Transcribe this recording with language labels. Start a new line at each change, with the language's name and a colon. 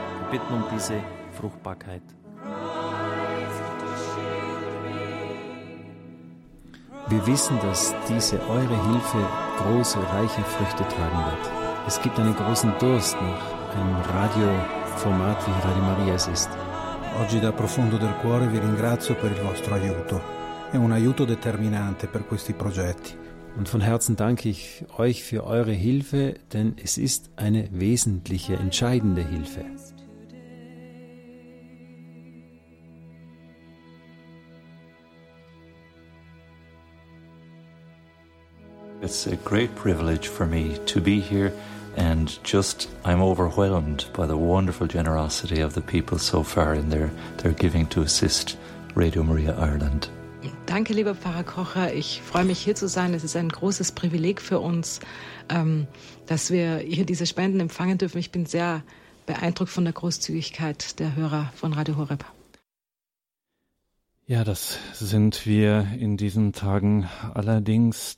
German: Wir bitten um diese Fruchtbarkeit. Wir wissen, dass diese eure Hilfe große, reiche Früchte tragen wird. Es gibt einen großen Durst nach einem Radioformat, wie Radio Maria es ist.
Italian: Oggi da profondo del cuore vi ringrazio per il vostro aiuto. È un aiuto determinante per questi progetti.
German: Und von Herzen danke ich euch für eure Hilfe, denn es ist eine wesentliche, entscheidende Hilfe.
English: It's a great privilege for me to be here, and just I'm overwhelmed by the wonderful generosity of the people so far in their giving to assist Radio Maria Ireland.
German: Danke, lieber Pfarrer Kocher. Ich freue mich, hier zu sein. Es ist ein großes Privileg für uns, dass wir hier diese Spenden empfangen dürfen. Ich bin sehr beeindruckt von der Großzügigkeit der Hörer von Radio Horeb. Ja, das sind wir in diesen Tagen allerdings.